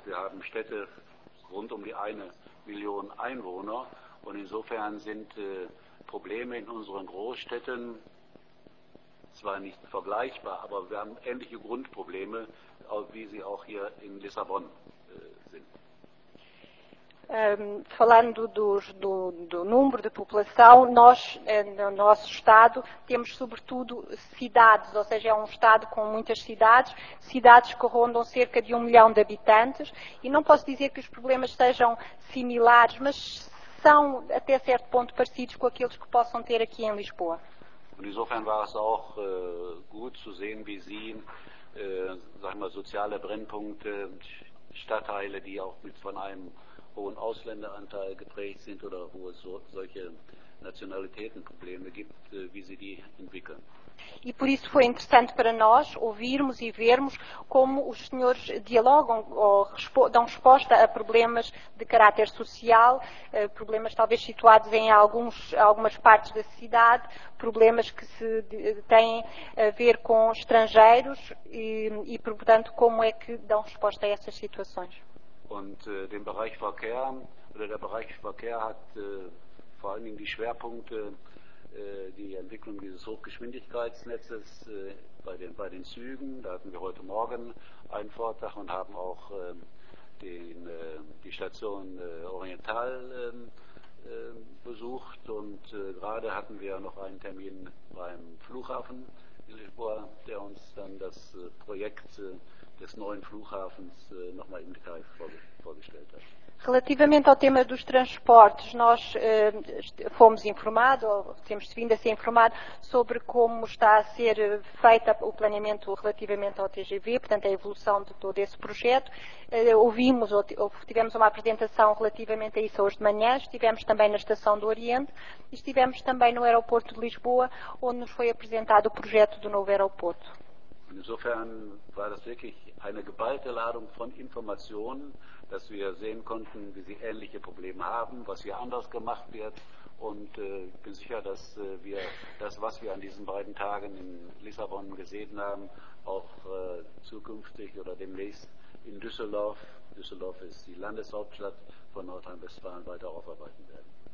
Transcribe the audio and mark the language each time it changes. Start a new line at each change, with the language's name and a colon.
German: Wir haben Städte rund um die 1 Million Einwohner und insofern sind Probleme in unseren Großstädten zwar nicht vergleichbar, aber wir haben ähnliche Grundprobleme, wie sie auch hier in Lissabon sind.
Portuguese: Falando do número de população, nós, no nosso estado, temos sobretudo cidades, ou seja, é um estado com muitas cidades, cidades que rondam cerca de 1 milhão de habitantes, e não posso dizer que os problemas sejam similares, mas são até certo ponto parecidos com aqueles que possam ter aqui em Lisboa.
German: Und insofern war es auch gut zu sehen, wie Sie, sagen wir, soziale Brennpunkte, Stadtteile, die auch mit von einem hohen Ausländeranteil geprägt sind oder wo es solche Nationalitätenprobleme gibt, wie sie die entwickeln.
Portuguese: E por isso foi interessante para nós ouvirmos e vermos como os senhores dialogam ou dão resposta a problemas de caráter social, problemas talvez situados em algumas partes da cidade, problemas que se têm a ver com estrangeiros e portanto, como é que dão resposta a essas situações.
German: Und den Bereich Verkehr, oder der Bereich Verkehr hat vor allen Dingen die Schwerpunkte, die Entwicklung dieses Hochgeschwindigkeitsnetzes bei den Zügen. Da hatten wir heute Morgen einen Vortrag und haben auch die Station Oriental besucht. Und gerade hatten wir noch einen Termin beim Flughafen in Lisboa, der uns dann das Projekt des neuen Flughafens nochmal im Detail vorgestellt hat.
Portuguese: Relativamente ao tema dos transportes, nós fomos informados, ou temos vindo a ser informados, sobre como está a ser feito o planeamento relativamente ao TGV, portanto, a evolução de todo esse projeto. Ouvimos, ou tivemos uma apresentação relativamente a isso hoje de manhã, estivemos também na Estação do Oriente e estivemos também no aeroporto de Lisboa, onde nos foi apresentado o projeto do novo aeroporto.
German: Insofern war das wirklich eine geballte Ladung von Informationen, dass wir sehen konnten, wie sie ähnliche Probleme haben, was hier anders gemacht wird. Und ich bin sicher, dass wir das, was wir an diesen beiden Tagen in Lissabon gesehen haben, auch zukünftig oder demnächst in Düsseldorf ist die Landeshauptstadt von Nordrhein-Westfalen, weiter aufarbeiten werden.